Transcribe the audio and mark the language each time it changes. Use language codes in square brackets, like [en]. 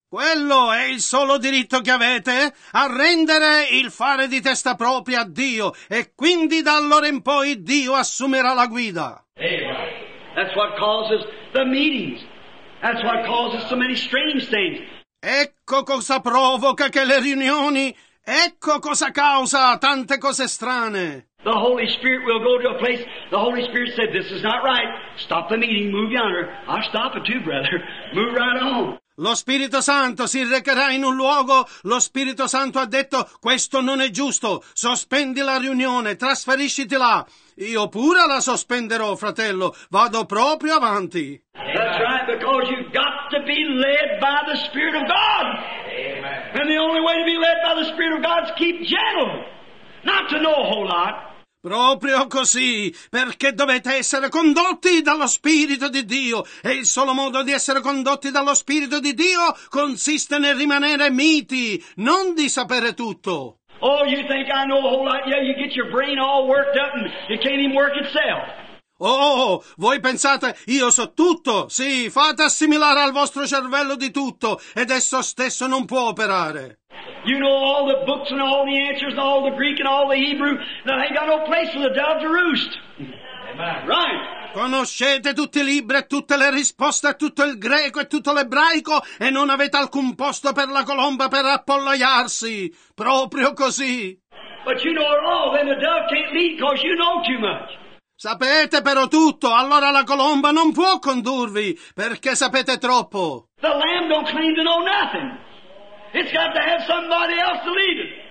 [it] Quello è il solo diritto che avete, a rendere il fare di testa propria a Dio, e quindi da allora in poi Dio assumerà la guida. [en] That's what causes the meetings. That's what causes so many strange things. [it] Ecco cosa provoca che le riunioni, ecco cosa causa tante cose strane. [en] The Holy Spirit will go to a place, the Holy Spirit said, this is not right, stop the meeting, move yonder. I'll stop it too, brother, move right on. [it] Lo Spirito Santo si recherà in un luogo, lo Spirito Santo ha detto, questo non è giusto, sospendi la riunione, trasferisciti là. Io pure la sospenderò, fratello, vado proprio avanti. [en] That's right, because you've got to be led by the Spirit of God. Amen. And the only way to be led by the Spirit of God is keep gentle, not to know a whole lot. [it] Proprio così, perché dovete essere condotti dallo Spirito di Dio, e il solo modo di essere condotti dallo Spirito di Dio consiste nel rimanere miti, non di sapere tutto. [en] Oh, you think I know a whole lot? Yeah, you get your brain all worked up and it can't even work itself. [it] Oh, voi pensate, io so tutto? Sì, fate assimilare al vostro cervello di tutto, ed esso stesso non può operare. [en] You know all the books and all the answers and all the Greek and all the Hebrew, and I ain't got no place for the dove to roost. Right. [it] Conoscete tutti i libri e tutte le risposte a tutto il greco e tutto l'ebraico e non avete alcun posto per la colomba per appollaiarsi. Proprio così. [en] But you know it all, then the dove can't lead because you know too much. [it] Sapete però tutto, allora la colomba non può condurvi perché sapete troppo. [en] The lamb don't claim to know nothing. It's got to have somebody else to lead it.